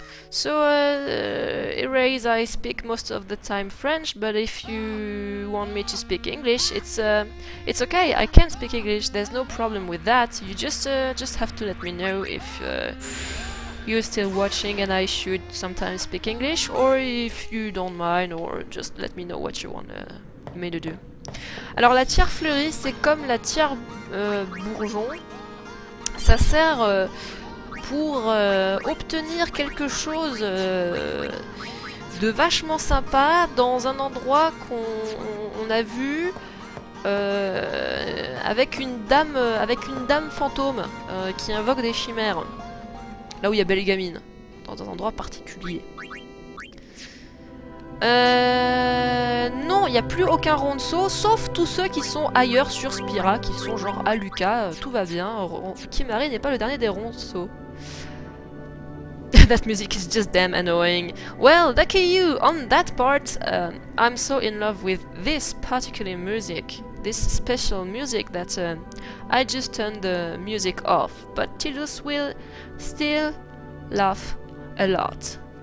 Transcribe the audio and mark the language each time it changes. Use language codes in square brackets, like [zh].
[en] So, Erase, I speak most of the time French, but if you want me to speak English, it's okay, I can speak English, there's no problem with that. You just have to let me know if... you're still watching and I should sometimes speak English, or if you don't mind, or just let me know what you want me to do. [fr] Alors la tiare fleurie, c'est comme la tiare bourgeon. Ça sert pour obtenir quelque chose de vachement sympa dans un endroit qu'on a vu avec une dame fantôme qui invoque des chimères. Là où il y a belle gamine, dans un endroit particulier. Non, il n'y a plus aucun Ronso, sauf tous ceux qui sont ailleurs sur Spira, qui sont genre à Lucas, tout va bien. Kimari n'est pas le dernier des Ronso. [en] that music is just damn annoying. Well, lucky you, on that part, I'm so in love with this particular music, this special music, that I just turned the music off, but Tidus will still laugh a lot.